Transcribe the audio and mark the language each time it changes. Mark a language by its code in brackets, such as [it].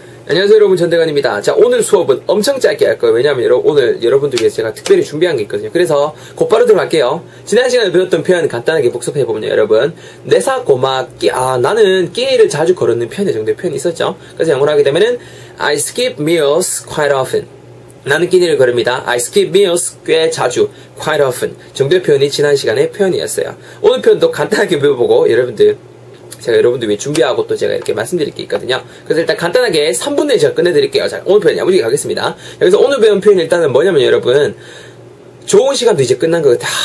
[ko] 안녕하세요 여러분, 전대관입니다. 자, 오늘 수업은 엄청 짧게 할 거예요. 왜냐하면 오늘 여러분들 위해서 제가 특별히 준비한 게 있거든요. 그래서 곧바로 들어갈게요. 지난 시간에 배웠던 표현 간단하게 복습해보면요 여러분, 내사고마끼 나는 끼를 자주 거르는 편의 정도의 표현이 있었죠. [en] 그래서 영어로 하게 되면은 I skip meals quite often. [ko] 나는 끼니를 거릅니다. [en] I skip meals [ko] 꽤 자주, [en] quite often [ko] 정도의 표현이 지난 시간에 표현이었어요. 오늘 표현도 간단하게 배워보고 여러분들, 제가 여러분들 위해 준비하고 또 제가 이렇게 말씀드릴 게 있거든요. 그래서 일단 간단하게 3분의 1 제가 끝내드릴게요. 자, 오늘 표현 야무지게 가겠습니다. 여기서 오늘 배운 표현이 일단은 뭐냐면 여러분, 좋은 시간도 이제 끝난 것 같다.